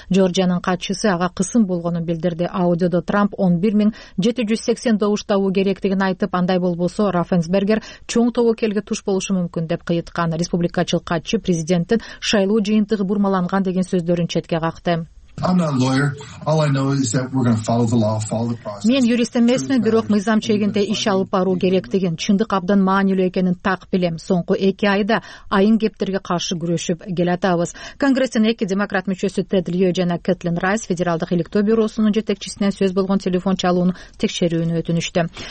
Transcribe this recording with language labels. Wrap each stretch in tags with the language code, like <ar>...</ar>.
<ky>Джорджиянын катчысы ага кысым болгонун билдирди. Аудиодо Трамп 11780 добуш табуу керектигин айтып, андай болбосо Рафенсбергер чоң тобокелге туш болушу мүмкүн деп кыйыткан республикачыл катчы президенттин шайлоо жыйынтыгы бурмаланган деген сөздөрүн четке какты.</ky> <en>I'm not a lawyer. All I know is that we're going to follow the law, follow the process.</en> <ky>Мен юрист эмесмин, бирок мыйзам чегинде иш алып баруу керектигин, чындык абдан маанилүү экенин так билем. Соңку 2 айда айын кептерге каршы күрөшүп келатабыз. Конгресстин 2 демократ мүчөсү Тед Лио жана Кэтлин Райс федералдык электоо бюросунун жетекчисинен сөз болгон телефон чалууну текшерүүнү өтүнүштү.</ky>